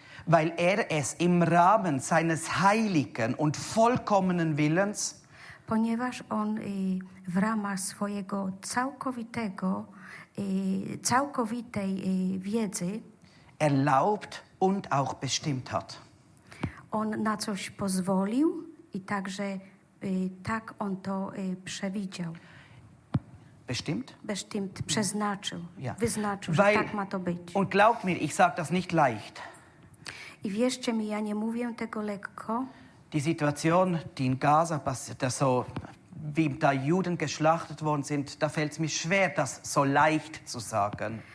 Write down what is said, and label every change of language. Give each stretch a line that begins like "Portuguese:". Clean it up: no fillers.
German: Weil es im Rahmen seines heiligen und vollkommenen Willens,
Polish: ponieważ on w ramach swojego całkowitego, całkowitej wiedzy,
German: erlaubt und auch bestimmt hat.
Polish: On na coś pozwolił i także tak on to przewidział.
German: Bestimmt? Bestimmt,
Polish: przeznaczył, ja. Wyznaczył,
German: weil,
Polish: że tak ma to być.
German: Und glaub mir, ich sag das nicht leicht.
Polish: I wierzcie mi, ja nie mówię tego lekko.
German: Die Situation, die in Gaza passiert, so wie da Juden geschlachtet worden sind, da fällt es mir schwer, das so leicht zu sagen.